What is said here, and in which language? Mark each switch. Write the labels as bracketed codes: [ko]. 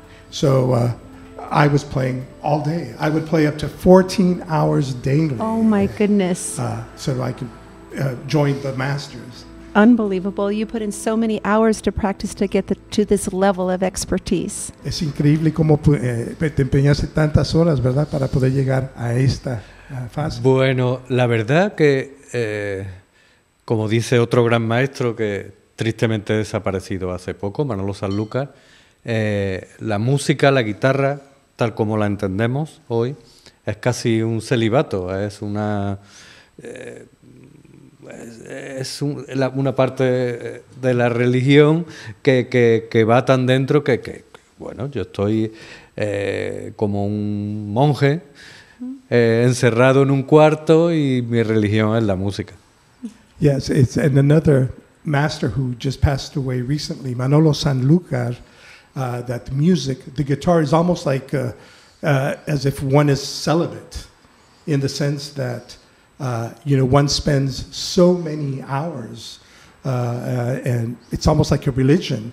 [en] So I was playing all day. I would play up to 14 hours daily. Oh my goodness. So I could joined the masters. Unbelievable. You put in so many hours to practice to get to this level of expertise. [es] Es increíble cómo te empeñaste tantas horas, ¿verdad?, para poder llegar a esta fase. Bueno, la verdad que, como dice otro gran maestro que tristemente desaparecido hace poco, Manolo Sanlúcar, la música, la guitarra, tal como la entendemos hoy, es casi un celibato, es una... es una parte de la religión que va tan dentro que bueno, yo estoy como un monje encerrado en un cuarto y mi religión es la música. [en] Yes, it's and another master who just passed away recently, Manolo Sanlúcar, that music, the guitar is almost like as if one is celibate in the sense that you know, one spends so many hours, and it's almost like a religion.